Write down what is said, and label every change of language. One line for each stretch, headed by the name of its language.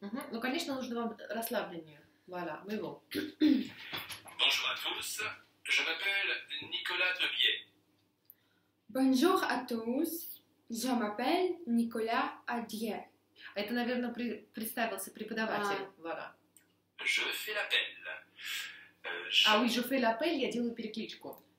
Russian: Ну, конечно, нужно вам расслабление. Voilà, мы его.
French: Bonjour à tous. Je m'appelle Nicolas Debier. Bonjour à tous. Je m'appelle Nicolas Adier.
Russian: Это, наверное, представился преподаватель.
French: Voilà. Je fais l'appel. Je fais l'appel,
Russian: я делаю перекличку.